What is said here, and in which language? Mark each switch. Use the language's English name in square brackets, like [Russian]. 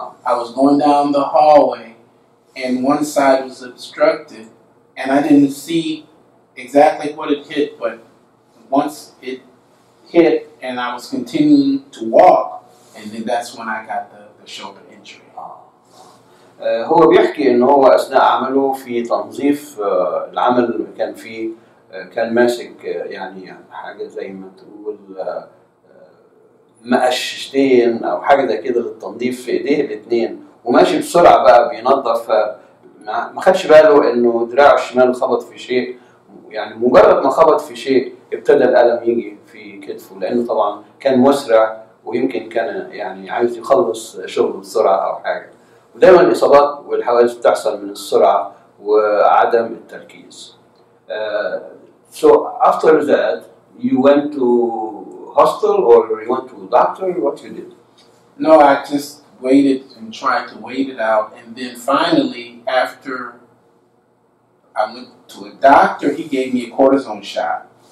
[English] I was going down the hallway, and one side was obstructed, and I didn't see exactly what it hit, but once it hit, and I was continuing to walk, and then that's when I got the shoulder injury. [Arabic] هو بيحكي إن هو أثناء عمله في تنظيف العمل كان في كان ماسك يعني حاجة زي ما تقول مقششتين او حاجه زي كده للتنظيف في ايديه الاثنين وماشي بسرعه بقى بينظف ما خدش باله انه دراعه الشمال خبط في شيء يعني مجرد ما خبط في شيء ابتدى الالم يجي في كتفه لانه طبعا كان مسرع ويمكن كان يعني عايز يخلص شغله بسرعه او حاجه ودايما الاصابات والحوادث بتحصل من السرعه وعدم التركيز. [English] So after that you went to hostel or you went to a doctor, what you did? No, I just waited and tried to wait it out. And then finally, after I went to a doctor, he gave me a cortisone shot.